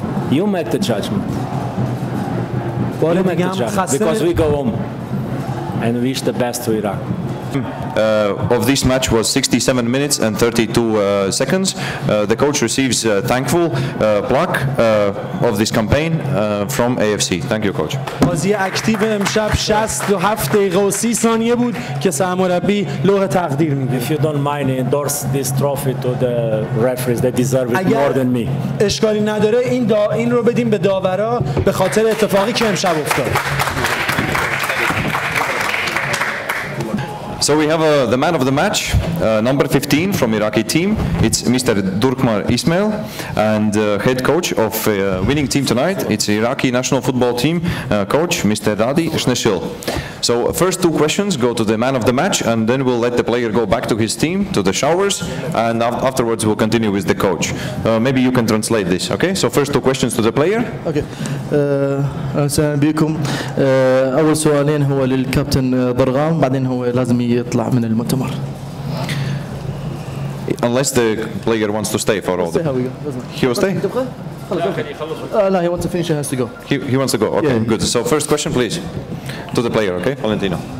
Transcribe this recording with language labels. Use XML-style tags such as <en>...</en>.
<en>You make the judgment. You make the judgment. Because we go home and wish the best to Iraq. Of this match was 67 minutes and 32 seconds. The coach receives a thankful plaque of this campaign from AFC. Thank you, coach.</en> <fa>بازی اکتیو امشب 67 دقیقه و 30 ثانیه بود که سرمربی لوح تقدیر میگه.</fa> <en>If you don't mind, endorse this trophy to the referees. They deserve it more than me.</en> <fa>اشکالی نداره این رو بدیم به داورا به خاطر اتفاقی که امشب افتاد.</fa> <en>So we have the man of the match, number 15 from Iraqi team. It's Mr. Durkmar Ismail, and head coach of winning team tonight. It's Iraqi national football team coach, Mr. Radi Shneshil. So first two questions go to the man of the match, and then we'll let the player go back to his team, to the showers, and afterwards we'll continue with the coach. Maybe you can translate this, okay? So first two questions to the player.</en> <ar>Okay. السلام عليكم. أول سؤالين هو للكابتن برغام. بعدين هو لازم يطلع من المؤتمر.</ar> <en>Unless the player wants to stay for all. Stay, how we go. He will stay. No, he wants to finish. He has to go. He wants to go. Okay, yeah. Good. So first question, please, to the player. Okay, Valentino.</en>